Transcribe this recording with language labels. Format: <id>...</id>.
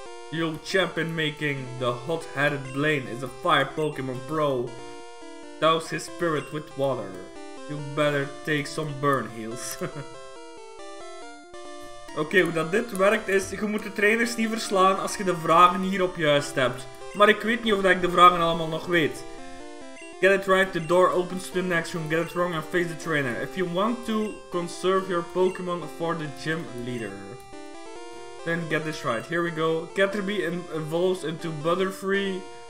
<en>You'll champion making the hot-headed Blaine is a fire Pokemon pro. Douse his spirit with water. You better take some burn heals.</en> <nl>Oké, hoe dat dit werkt is, je moet de trainers niet verslaan als je de vragen hierop juist hebt. Maar ik weet niet of dat ik de vragen allemaal nog weet.</nl> <en>Get it right, the door opens to the next room. Get it wrong and face the trainer. If you want to conserve your Pokemon for the gym leader, then get this right. Here we go. Caterpie evolves into Butterfree.</en>